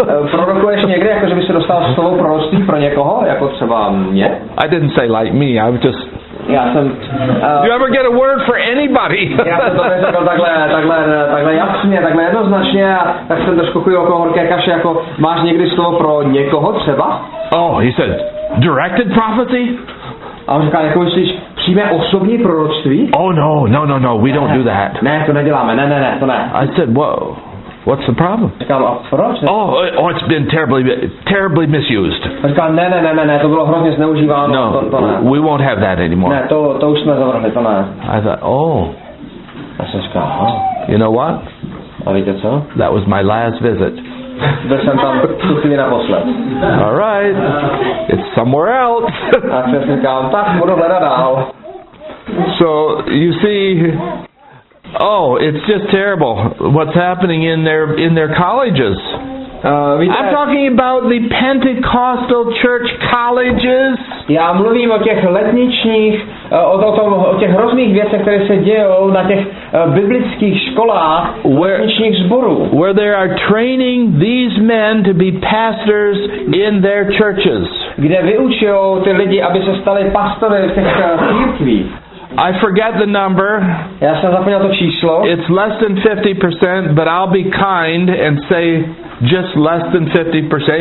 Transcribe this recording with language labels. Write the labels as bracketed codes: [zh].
[cs] Prorokuješ někdy, jakože by se dostal slovo proroctví pro někoho, jako třeba mě? [en] I didn't say like me, I was just... [cs] Já jsem... [en] Do you ever get a word for anybody? [cs] Já jsem to neřekl takhle jasně, takhle jednoznačně, a tak jsem trošku chuji okolo horké kaše, jako máš někdy slovo pro někoho třeba? [en] Oh, he said, directed prophecy? [cs] A on říkal, jako myslíš přímé osobní proroctví? [en] Oh no, we don't do that. [cs] Ne, to neděláme, ne, to ne. [en] I said, whoa. What's the problem? Oh, it's been terribly misused. [cs] Ne, to bylo hrozně zneužíváno. [en] No, we won't have that anymore. [cs] Ne, to už jsme zavrhli, to ne. [en] I thought, oh. [cs] Já jsem říkal, oh. [en] You know what? [cs] A víte co? [en] That was my last visit. [cs] Byl jsem tam tu chvíli naposled. [en] All right, it's somewhere else. [cs] Já jsem říkal, tak budu hledat dál. [en] So, you see... Oh, it's just terrible what's happening in their colleges. [cs] Víte, [en] I'm talking about the Pentecostal church colleges. [cs] Já mluvím o těch letničních, o těch hrozných věcech, které se dějou na těch biblických školách letničních zborů. [en] Where they are training these men to be pastors in their churches. [cs] Kde vyučují ty lidi, aby se stali pastory v těch církvích. [en] I forget the number. [cs] Já jsem zapomněl to číslo. [en] It's less than 50%, but I'll be kind and say just less than 50%.